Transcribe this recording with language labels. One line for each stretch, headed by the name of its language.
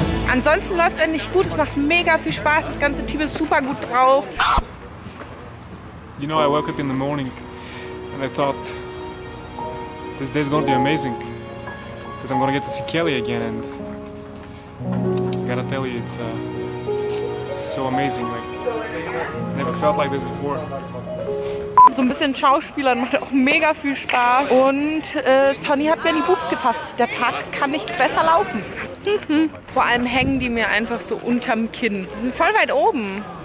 German: Ansonsten läuft es nicht gut, es macht mega viel Spaß, das ganze Team ist super gut drauf.
English: You know, I woke up in the morning and I thought, this day is going to be amazing, because I'm going to get to see Kelly again and I gotta tell you, it's so amazing, like, never felt like this before.
German: So ein bisschen Schauspielern macht auch mega viel Spaß und Sonny hat mir in die Boobs gefasst. Der Tag kann nicht besser laufen. Vor allem hängen die mir einfach so unterm Kinn. Die sind voll weit oben.